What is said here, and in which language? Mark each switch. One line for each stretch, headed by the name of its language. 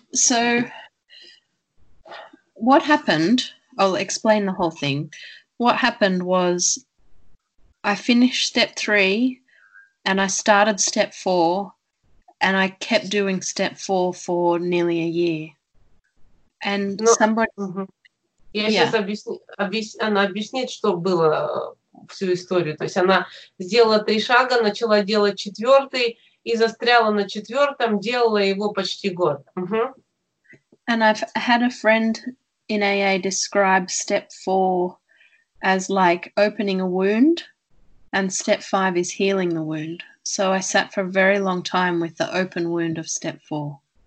English: So what happened, I'll explain the whole thing. What happened was I finished step three and I started step four and I kept doing step four for nearly a year. And
Russian: Она объясняет, что было всю историю. То есть она сделала три шага, начала делать четвертый и застряла на четвертом, делала его почти год.
English: And I've had a friend in AA describe step four as like opening a wound, and step five is healing the wound. So I sat for a very long time with the open wound of step four.